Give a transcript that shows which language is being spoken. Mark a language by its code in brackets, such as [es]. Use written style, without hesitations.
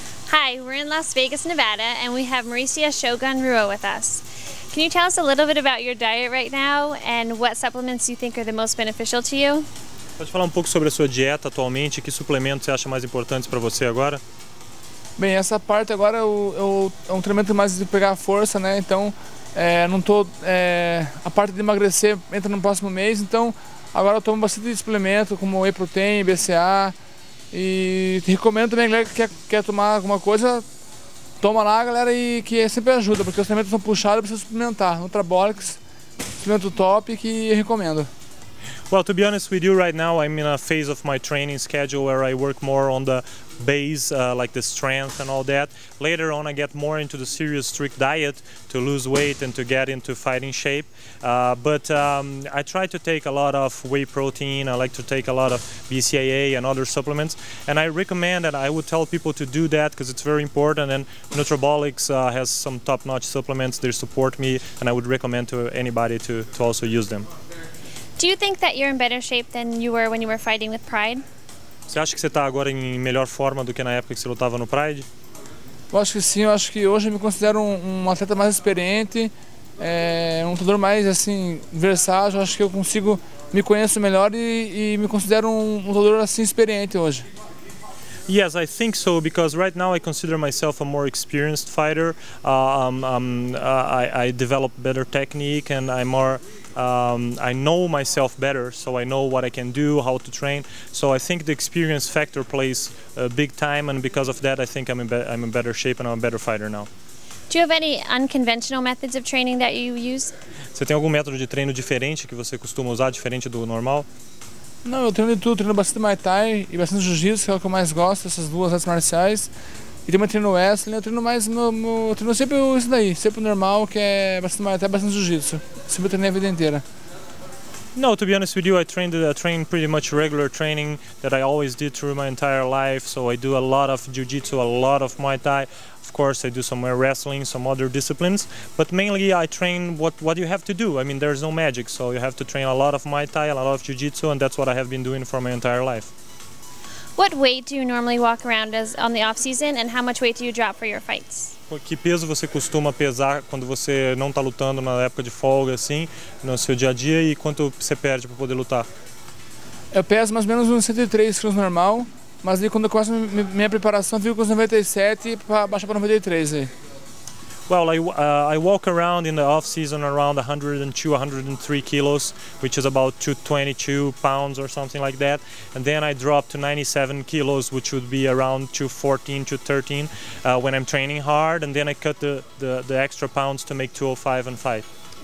[en] Hi, we're in Las Vegas, Nevada, and we have Mauricio Shogun Ruo with us. Can you tell us a little bit about your diet right now and what supplements you think are the most beneficial to you? [pt] Pode falar um pouco sobre a sua dieta atualmente, que suplementos você acha mais importantes para você agora? Bem, essa parte agora é um treinamento mais de pegar força, né? Então, não tô, a parte de emagrecer entra no próximo mês, então agora eu tomo bastante suplemento, como whey protein, BCA, e te recomendo também, galera, que quer tomar alguma coisa, toma lá, galera, e que sempre ajuda, porque os treinamentos são puxados, precisa suplementar. Nutrabolics, suplemento top, que eu recomendo. [en] Well, to be honest with you, right now I'm in a phase of my training schedule where I work more on the base, like the strength and all that. Later on, I get more into the serious strict diet to lose weight and to get into fighting shape. But I try to take a lot of whey protein. I like to take a lot of BCAA and other supplements. And I recommend that I would tell people to do that because it's very important. And Nutrabolics has some top-notch supplements. They support me, and I would recommend to anybody to also use them. Do you think that you're in better shape than you were when you were fighting with Pride? [pt] Você acha que você está agora em melhor forma do que na época que você lutava no Pride? Eu acho que sim, eu acho que hoje eu me considero um atleta mais experiente, um lutador mais assim versátil, eu acho que eu consigo me conheço melhor e me considero um lutador assim experiente hoje. [en] Yes, I think so, because right now I consider myself a more experienced fighter. I develop better technique and I'm more I know myself better, so I know what I can do, how to train. So I think the experience factor plays big time, and because of that I think I'm in better shape and I'm a better fighter now. Do you have any unconventional methods of training that you use? [pt] Você tem algum método de treino diferente que você costuma usar, diferente do normal? Não, eu treino de tudo, treino bastante Muay Thai e bastante Jiu-Jitsu, que é o que eu mais gosto, essas duas artes marciais. E também treino wrestling, eu treino mais, eu treino sempre isso daí, sempre normal, que é bastante Muay Thai, bastante Jiu-Jitsu. Sempre treinei a vida inteira. [en] No, to be honest with you, I train pretty much regular training that I always did through my entire life. So I do a lot of jiu-jitsu, a lot of Muay Thai. Of course, I do some wrestling, some other disciplines. But mainly I train what you have to do. I mean, there's no magic. So you have to train a lot of Muay Thai, a lot of jiu-jitsu, and that's what I have been doing for my entire life. What weight do you normally walk around as on the off-season, and how much weight do you drop for your fights? [pt] Que peso você costuma pesar quando você não está lutando na época de folga, assim, no seu dia a dia, e quanto você perde para poder lutar? Eu peso mais ou menos uns 103 quilos normal, mas aí quando eu começo minha preparação, eu fico com uns 97 para baixar para 93 aí. [en] Well, I walk around in the off season around 102, 103 kilos, which is about 222 pounds or something like that, and then I drop to 97 kilos, which would be around 214, 213, when I'm training hard, and then I cut the extra pounds to make 205 and fight.